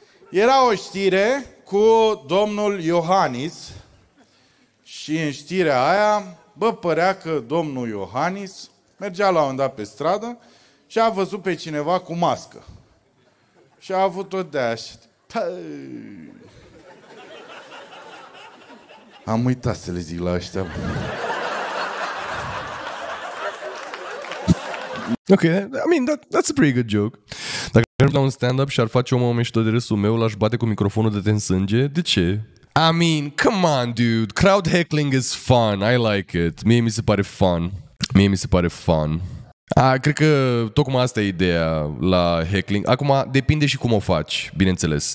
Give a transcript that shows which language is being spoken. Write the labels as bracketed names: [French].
[Romanian] Era o știre cu domnul Iohannis și în știrea aia, bă, părea că domnul Iohannis mergea la un dat pe stradă și a văzut pe cineva cu mască. Și a avut tot de așa. Am uitat să le zic la ăștia. [English] Ok, I mean, that's a pretty good joke. [Romanian] Dacă ar fi la un stand-up și ar face omul mișto de râsul meu, l-aș bate cu microfonul de te-n sânge. De ce? [English] I mean, come on, dude. Crowd heckling is fun. I like it. [Romanian] Mie mi se pare fun. Mie mi se pare fun. Cred că tocmai asta e ideea la heckling. Acum, depinde și cum o faci, bineînțeles.